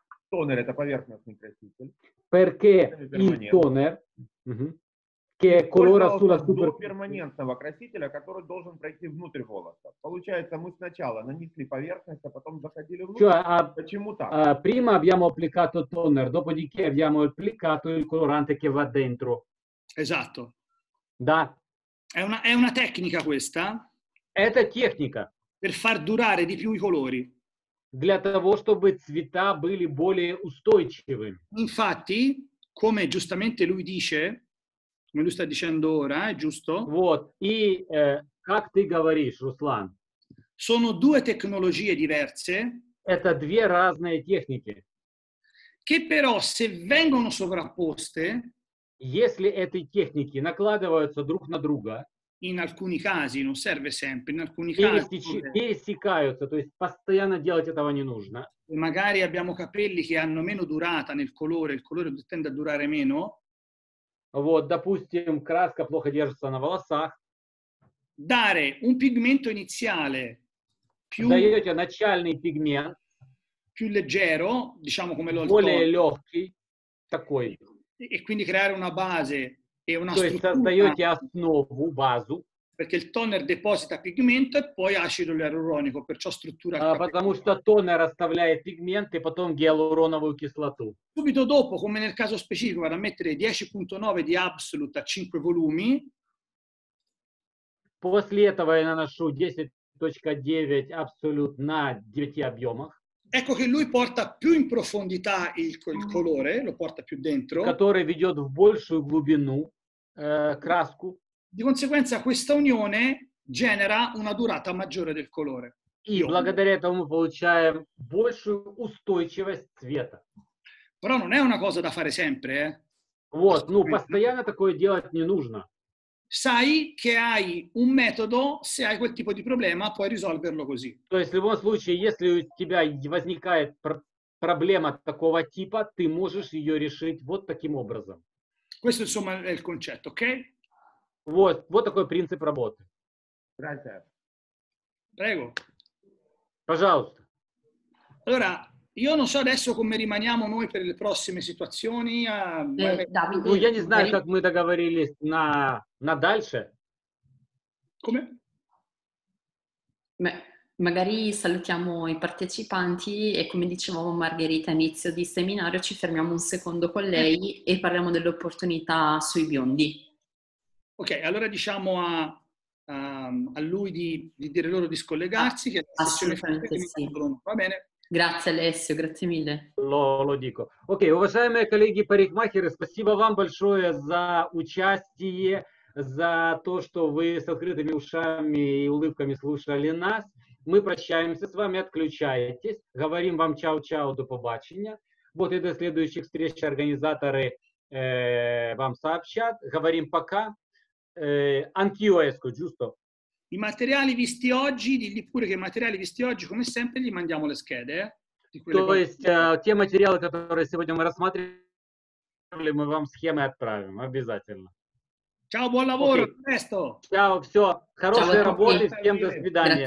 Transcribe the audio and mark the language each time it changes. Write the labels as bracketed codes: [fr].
[ru] Toner è поверхностный краситель. [it] Perché il toner, che è colora sulla superficie [ru] перманентного красителя, который должен пройти внутрь волоса. Получается, мы сначала нанесли поверхность, а потом заходили внутрь. [it] Cioè, [ru] почему так? [it] Prima abbiamo applicato toner, dopodiché abbiamo applicato il colorante che va dentro. Esatto. [ru] Da. [it] È una tecnica questa? [ru] Это техника. [it] Per far durare di più i colori. [ru] Для того, чтобы цвета были более устойчивыми. [it] Infatti, come giustamente lui dice, come lui sta dicendo ora, è giusto? [ru] Вот. И как ты говоришь, Руслан? [it] Sono due tecnologie diverse. [ru] Это две разные техники. [it] Che però se vengono sovrapposte, [ru] если эти техники накладываются друг на друга, [it] in alcuni casi non serve sempre, in alcuni casi [ru] пересекаются, то есть постоянно делать этого не нужно. [it] Magari abbiamo capelli che hanno meno durata nel colore, il colore tende a durare meno. [ru] Вот, допустим, краска плохо держится на волосах. [it] Dare un pigmento iniziale più [ru] даёте начальный пигмент [it] più leggero, diciamo come lo [ru] более легкий такой. [it] E quindi creare una base e una [ru] то есть создаете основу, базу. [it] Perché il toner deposita pigmento e poi acido ialuronico, perciò struttura. [ru] Потому что тонер оставляет пигмент и потом гиалуроновую кислоту. [it] Subito dopo, come nel caso specifico, vado a mettere 10.9 di Absolute a 5 volumi. [ru] После этого я наношу 10.9 Absolute на 9 объемах. [it] Ecco che lui porta più in profondità il colore, lo porta più dentro. [ru] Который ведет в большую глубину краску. [it] Di conseguenza questa unione genera una durata maggiore del colore. [ru] И благодаря этому мы получаем большую устойчивость цвета. [it] Però non è una cosa da fare sempre, eh? [ru] Вот, ну постоянно такое делать не нужно. [it] Sai che hai un metodo, se hai quel tipo di problema, puoi risolverlo così. [ru] То есть в любом случае, если у тебя возникает проблема такого типа, ты можешь ее решить вот таким образом. [it] Questo insomma è il concetto, ok? [ru] Вот, вот такой принцип работы. [it] Grazie. Prego. [ru] Пожалуйста. [it] Allora, io non so adesso come rimaniamo noi per le prossime situazioni. [ru] Ну, я не знаю, как мы договорились на дальше. [it] Come? Magari salutiamo i partecipanti e come dicevamo Margherita all'inizio di seminario, ci fermiamo un secondo con lei e parliamo dell'opportunità sui biondi. Ok, allora diciamo a lui di dire loro di scollegarsi. Che la assolutamente è sì. Va bene. Grazie Alessio, grazie mille. Lo dico. [ru] Ok, уважаемые коллеги парикмахеры, спасибо вам большое за участие, за то, что вы с открытыми ушами и улыбками слушали нас. Мы прощаемся с вами, отключаетесь. Говорим вам чао-чао, [uk] до побачення. [ru] Вот и до следующих встреч организаторы вам сообщат. Говорим пока. [it] Anch'io esco, giusto? I materiali visti oggi, digli pure che i materiali visti oggi, come sempre, gli mandiamo le schede. [ru] То есть, те материалы, которые сегодня мы рассматривали, мы вам схемы отправим, обязательно. [it] Ciao, buon lavoro, okay. Presto! [ru] Ciao, все, хорошей работы, всем до свидания.